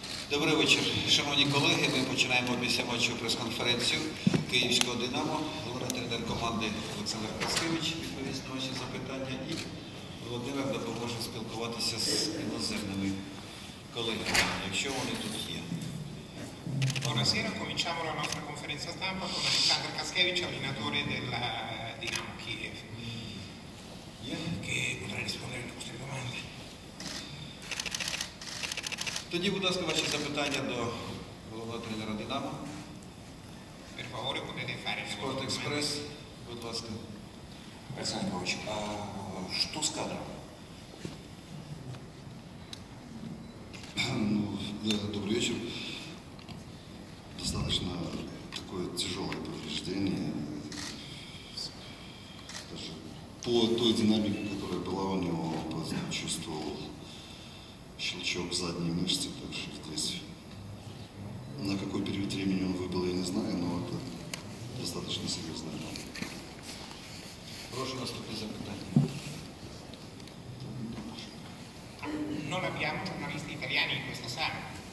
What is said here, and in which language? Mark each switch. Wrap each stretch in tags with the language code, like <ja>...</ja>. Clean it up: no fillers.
<uk>Добрий вечір, шановні колеги. Ми починаємо післяматчеву прес-конференцію Київського Динамо. Головний тренер команди Олександр Паскевич відповість на ваші запитання. І Володимир допоможе спілкуватися з іноземними колегами, якщо вони тут є. Добрий вечір.</uk> <it>Cominciamo la nostra conferenza stampa con Олександр Паскевич, allenatore del Динамо Київ. Che potrà rispondere alle vostre domande.</it> <uk>Тоді, будь ласка, ваші запитання до головного тренера Динамо.</uk> <it>Per favore, potete fare</it> <uk>Спорт Експрес, будь ласка. Олександр Павлович, а що з кадром? Ну, добрий вечір.</uk> <ru>Достаточно такое тяжелое повреждение. Даже по той динамике, которая была у него, чувствовал щелчок в задней мышце, так что здесь на какой период времени он выбыл, я не знаю, но это достаточно серьезно.</ru> <uk>Прошу вас тут запитание.</uk> <it>Non abbiamo giornalisti italiani in questa sala.</it>